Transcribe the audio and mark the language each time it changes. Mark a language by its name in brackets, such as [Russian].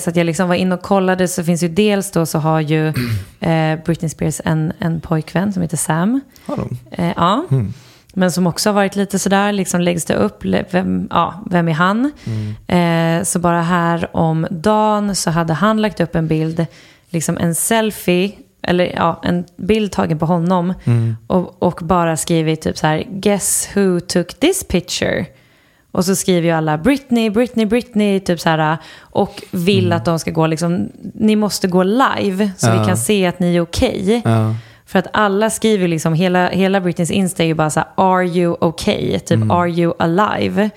[Swedish] Så att jag liksom var in och kollade, så finns ju dels då, så har ju Britney Spears en pojkvän som heter Sam. Ja. Mm. Men som också har varit lite sådär, liksom läggs det upp, vem är han? Så bara här om dagen så hade han lagt upp en bild, liksom en selfie, eller ja, en bild tagen på honom. Och bara skrivit typ så här: [English] guess who took this picture? [Swedish] Och så skriver ju alla Britney, Britney, Britney, typ så här, och vill att de ska gå liksom, ni måste gå live så vi kan se att ni är okej. För att alla skriver liksom, hela Britneys Insta är ju bara så här, [English] are you okay? [Swedish] Typ, [English] are you alive?